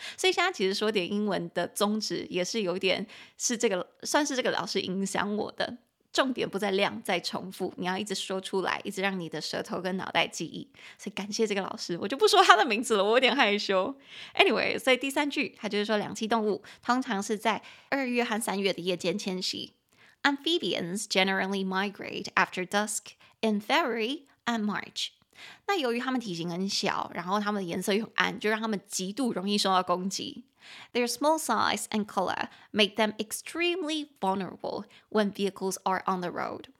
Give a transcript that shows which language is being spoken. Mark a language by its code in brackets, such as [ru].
[zh] 所以现在其实说点英文的宗旨也是有点是这个，算是这个老师影响我的，重点不在量，在重复，你要一直说出来，一直让你的舌头跟脑袋记忆。所以感谢这个老师，我就不说他的名字了，我有点害羞。Anyway， 所以第三句他就是说两栖动物通常是在二月和三月的夜间迁徙。 [en] Amphibians generally migrate after dusk in February and March。 [zh] 那由于他们体型很小，然后他们的颜色又暗，就让他们极度容易受到攻击。 [en] Their small size and color make them extremely vulnerable when vehicles are on the road.